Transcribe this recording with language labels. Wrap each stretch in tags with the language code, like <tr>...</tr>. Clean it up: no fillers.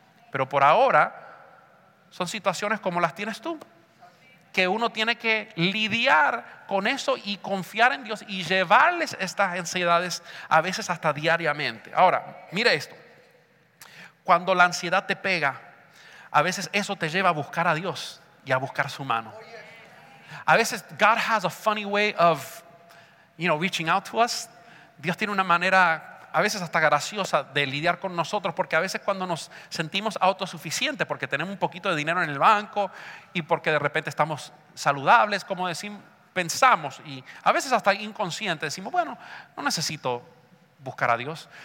<es>Pero por ahora son situaciones como las tienes tú, que uno tiene que lidiar con eso y confiar en Dios y llevarles estas ansiedades a veces hasta diariamente. Ahora, mire esto. Cuando la ansiedad te pega, a veces eso te lleva a buscar a Dios y a buscar su mano. A veces</es> <en>God has a funny way of, you know, reaching out to us.</en> <es>Dios tiene una manera a veces hasta graciosa de lidiar con nosotros, porque a veces cuando nos sentimos autosuficientes, porque tenemos un poquito de dinero en el banco y porque de repente estamos saludables, como decimos, pensamos y a veces hasta inconscientes decimos, bueno, no necesito buscar a Dios.</es>